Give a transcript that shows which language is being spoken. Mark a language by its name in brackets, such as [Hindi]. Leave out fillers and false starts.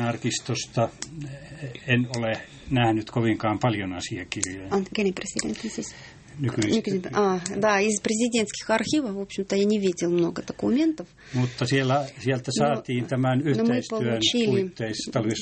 [Finnish] arkistosta en ole nähnyt kovinkaan paljon asiakirjoja. Kenen presidentti siis? Nykyisin. [Russian] Да, из президентских архивов, в общем-то, я не видел много документов. [Finnish] Mutta sieltä saatiin tämän yhteistyön puitteissa.